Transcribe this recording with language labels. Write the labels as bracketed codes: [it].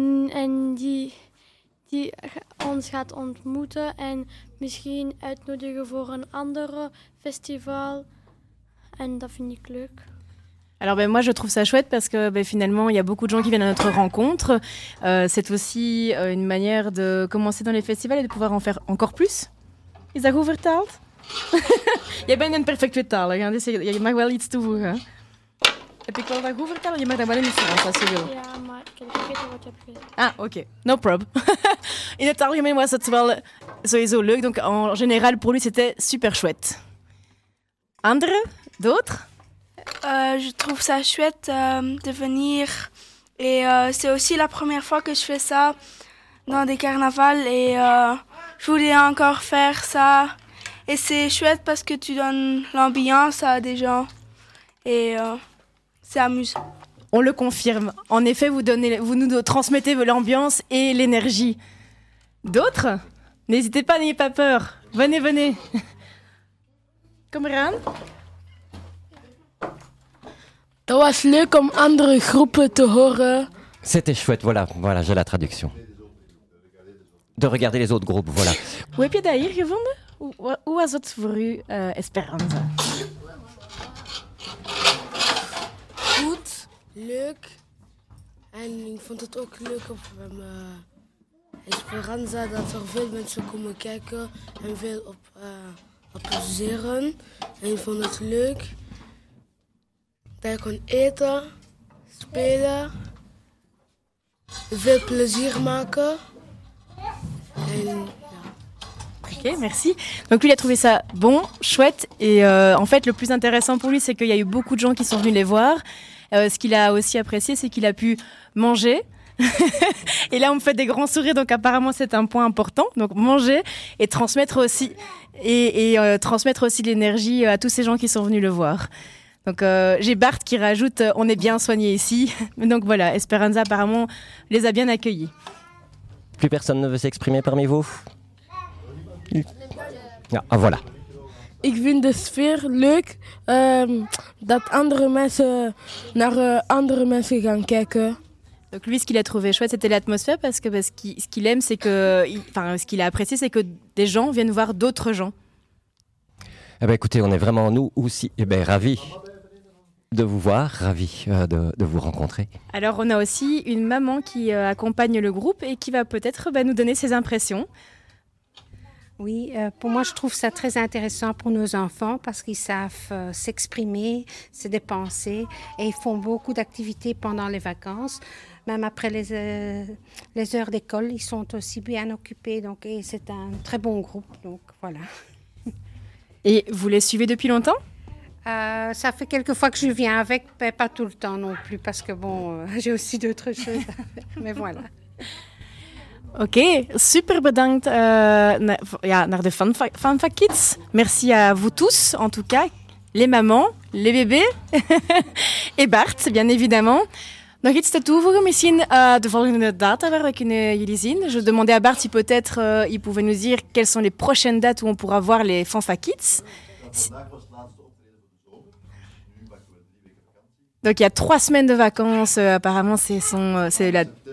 [nl] En die ons gaat ontmoeten en misschien uitnodigen voor een ander festival. En dat vind ik leuk. [fr] Alors ben moi je trouve ça chouette parce que ben finalement il y a beaucoup de gens qui viennent à notre rencontre. C'est aussi une manière de commencer dans les festivals et de pouvoir en faire encore plus. [nl] Is dat goed vertaald? Je bent een perfect vertaler, dus je mag wel iets toevoegen. Heb ik wel dat goed vertaald? Je mag dat wel in de serie, als je wil. Ja, maar ik heb vergeten wat je hebt gezegd. [en] Ah, oké. Okay. No problem. [nl] In het algemeen was het wel sowieso leuk, [fr] donc en général pour lui c'était super chouette. [nl] Andere? [fr] D'autres? Je trouve ça chouette de venir et c'est aussi la première fois que je fais ça dans des carnavals et je voulais encore faire ça et c'est chouette parce que tu donnes l'ambiance à des gens et c'est amusant. On le confirme, en effet vous nous transmettez l'ambiance et l'énergie. D'autres ? N'hésitez pas, n'ayez pas peur, venez. Kameran ? [nl] Dat was leuk om andere groepen te horen. [fr] C'était chouette, voilà, j'ai la traduction. De regarder les autres groupes, voilà. [nl] Hoe heb je dat hier gevonden? Hoe was het voor u, Esperanza? Goed, leuk. En ik vond het ook leuk op Esperanza dat er veel mensen komen kijken en veel op appreciëren. En ik vond het leuk. Dat je kon eten, spelen, veel plezier maken. Ja. Oké, merci. [fr] Donc lui, il a trouvé ça bon, chouette. Et en fait, le plus intéressant pour lui, c'est qu'il y a eu beaucoup de gens qui sont venus les voir. Ce qu'il a aussi apprécié, c'est qu'il a pu manger. Et là, on me fait des grands sourires, donc apparemment, c'est un point important. Donc manger et transmettre aussi, transmettre aussi l'énergie à tous ces gens qui sont venus le voir. Donc j'ai Bart qui rajoute « On est bien soigné ici ». Donc voilà, Esperanza apparemment les a bien accueillis. Plus personne ne veut s'exprimer parmi vous ? Ah, voilà. [nl] Ik vind de sfeer leuk dat andere mensen naar andere mensen gaan kijken. [fr] Donc lui, ce qu'il a trouvé chouette, c'était l'atmosphère parce que ce qu'il aime, c'est que... Enfin, ce qu'il a apprécié, c'est que des gens viennent voir d'autres gens. Eh bien écoutez, on est vraiment nous aussi ravis de vous voir, ravis de vous rencontrer. Alors on a aussi une maman qui accompagne le groupe et qui va peut-être nous donner ses impressions. Oui, pour moi je trouve ça très intéressant pour nos enfants parce qu'ils savent s'exprimer, se dépenser et ils font beaucoup d'activités pendant les vacances. Même après les heures d'école, ils sont aussi bien occupés donc, et c'est un très bon groupe. Donc voilà. Et vous les suivez depuis longtemps ? Ça fait quelques fois que je viens avec, mais pas tout le temps non plus, parce que bon, j'ai aussi d'autres choses. Mais voilà. [nl] Ok, super bedankt naar de Fanfa Kids. [fr] Merci à vous tous, en tout cas, les mamans, les bébés, et Bart, bien évidemment. [nl] Nog iets te toevoegen, misschien de volgende data waar we kunnen jullie zien. [fr] Je demandais à Bart si peut-être il pouvait nous dire quelles sont les prochaines dates où on pourra voir les Fanfa Kids. Donc il y a 3 semaines de vacances, apparemment c'est la...